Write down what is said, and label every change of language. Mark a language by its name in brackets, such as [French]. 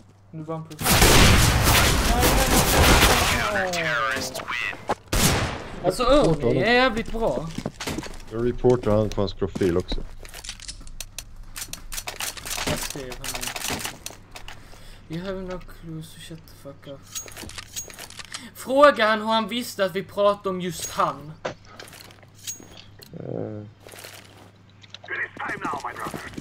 [Swedish] Nu var han på... Alltså Ernie är jävligt bra. Jag reportar han på hans profil också. Jag skrev honom. [English] You have no clue, so shut the fuck up. [Swedish] Fråga han hur han visste att vi pratade om just han. [English] It is time now, my brother.